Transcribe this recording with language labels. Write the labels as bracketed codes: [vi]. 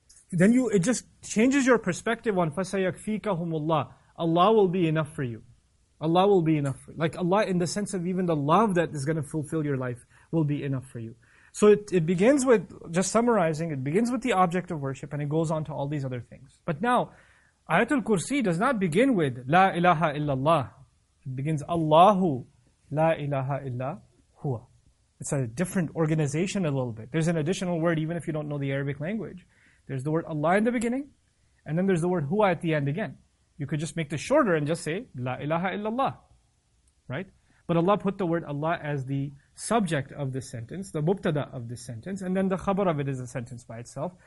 [en] Then it just changes your perspective on [ar] فَسَيَكْفِيكَهُمُ اللَّهِ. [en] Allah will be enough for you. Allah will be enough. Like Allah, in the sense of even the love that is going to fulfill your life, will be enough for you. So it begins with, just summarizing, it begins with the object of worship and it goes on to all these other things. But now, Ayatul Kursi does not begin with [ar] لا إله إلا الله. [en] It begins [ar] Allahu لا إله إلا هو. [en] It's a different organization a little bit. There's an additional word even if you don't know the Arabic language. There's the word Allah in the beginning, and then there's the word Hua at the end again. You could just make this shorter and just say, La ilaha illallah. Right? But Allah put the word Allah as the subject of this sentence, the mubtada of this sentence, and then the khabar of it is a sentence by itself.